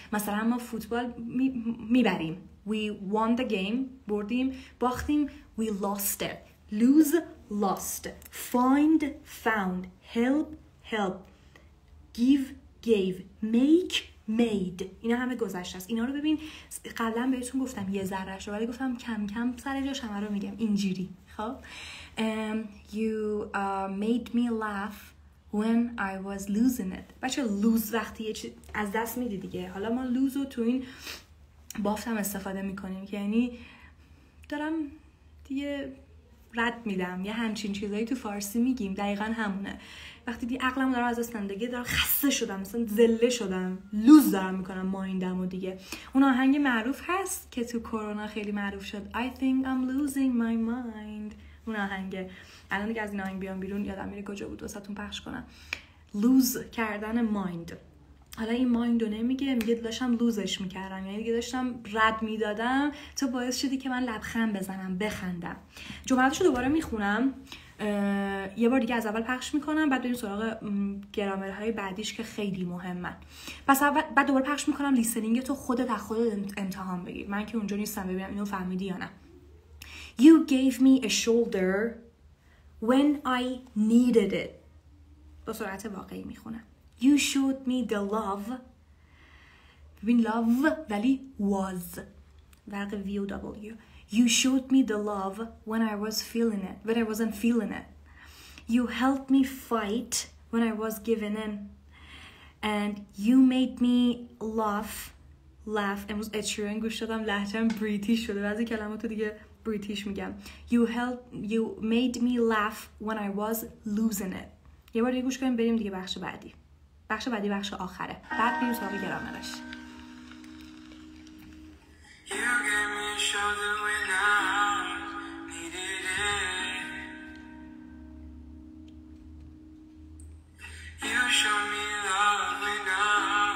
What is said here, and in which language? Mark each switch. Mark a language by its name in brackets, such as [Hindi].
[Persian] مثلا ما فوتبال میبریم. [English] We won the game. [Persian] بردیم. باختیم. [English] We lost it. Lose. Lost. Find. Found. Help. Help. Give. Gave. Make. Made. [Persian] اینا همه گذشته است. اینا رو ببین، قبلا بهتون گفتم یه ذره‌اش رو، ولی گفتم کم کم سر جاش همه رو میگم اینجوری. [English] خب You made me laugh when I was losing it. [Persian] بچه لوز وقتی یه چیز از دست میدی دیگه. حالا ما لوز رو تو این بافتم استفاده میکنیم که یعنی دارم دیگه رد میدم، یه همچین چیزایی تو فارسی میگیم، دقیقا همونه. وقتی دیگه عقلم داره از زندگی داره خسته شدم، مثلا زله شدم، لوز دارم میکنم مایندم و دیگه. اون آهنگ معروف هست که تو کرونا خیلی معروف شد، [English] I think I'm losing my mind. [Persian] اون آهنگه. الان دیگه از این آهنگ بیام بیرون یادم میره کجا بود واسه تون پخش کنم. لوز کردن مایند. حالا این مایندو نمیگه، میگه داشتم لوزش میکردم، یعنی دیگه داشتم رد میدادم. تو باعث شدی که من لبخند بزنم، بخندم. جملاتشو دوباره میخونم یه بار دیگه از اول پخش میکنم، بعد بریم سراغ گرامرهای بعدیش که خیلی مهمن. پس اول بعد دوباره پخش میکنم، لیسنینگتو خودت از خودت امتحان بگیر. من که اونجا نیستم ببینم اینو فهمیدی یا نه. [English] You gave me a shoulder when I needed it. [Persian] با سرعت واقعی میخونم. [English] You showed me the love. [Persian] ببین love ولی was. ورق V-O-W. [English] You showed me the love when I was feeling it. When I wasn't feeling it. You helped me fight when I was given in. And you made me laugh. Laugh. [Persian] And was اچیرن گوش دادم. لحجم بریتیش شده. بعضی کلماتو دیگه بریتیش میگم. You made me laugh when I was losing it. یه بار دیگه گوش کنیم بریم دیگه بخش بعدی. بخش بعدی بخش آخره. بعد بیرون سواب گرامرش. [English] You gave me a shoulder when I needed it. You showed me love when I